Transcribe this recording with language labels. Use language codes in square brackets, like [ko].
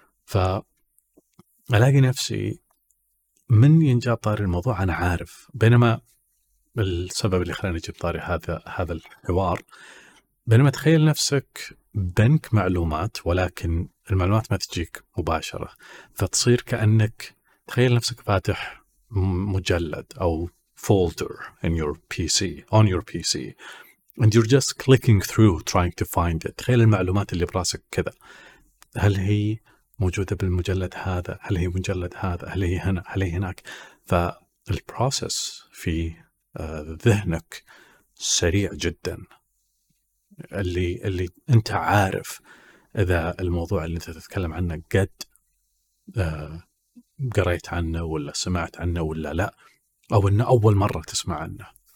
[ar] فألاقي نفسي من ينجاب طاري الموضوع أنا عارف، بينما السبب اللي خلاني أجيب طاري هذا الحوار، بينما تخيل نفسك بنك معلومات ولكن المعلومات ما تجيك مباشرة، فتصير كأنك تخيل نفسك فاتح مجلد أو فولدر [en] in your PC on your PC، and you're just clicking through trying to find it. [ar] تخيل المعلومات اللي براسك كذا، هل هي موجودة بالمجلد هذا؟ هل هي مجلد هذا؟ هل هي هنا؟ هل هي هناك؟ فالبروسس في ذهنك سريع جدا، اللي انت عارف اذا الموضوع اللي انت تتكلم عنه قد قريت عنه ولا سمعت عنه ولا لا، او انه اول مرة تسمع عنه.